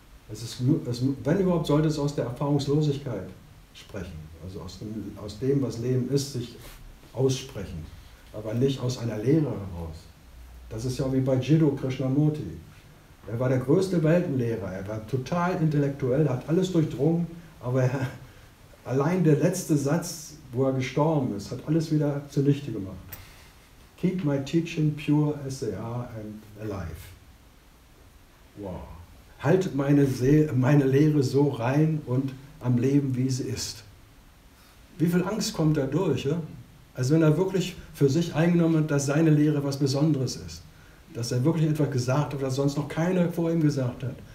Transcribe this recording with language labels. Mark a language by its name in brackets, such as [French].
[German] Es ist, wenn überhaupt, sollte es aus der Erfahrungslosigkeit sprechen, also aus dem, was Leben ist, sich aussprechen, aber nicht aus einer Lehre heraus. Das ist ja wie bei Jiddu Krishnamurti. Er war der größte Weltenlehrer, er war total intellektuell, hat alles durchdrungen, aber allein der letzte Satz, wo er gestorben ist, hat alles wieder zunichte gemacht. [English] Keep my teaching pure as they are and alive. Wow. [German] Halt meine Lehre so rein und am Leben, wie sie ist. Wie viel Angst kommt da durch? Ja? Also wenn er wirklich für sich eingenommen hat, dass seine Lehre was Besonderes ist. Dass er wirklich etwas gesagt hat, was sonst noch keiner vor ihm gesagt hat.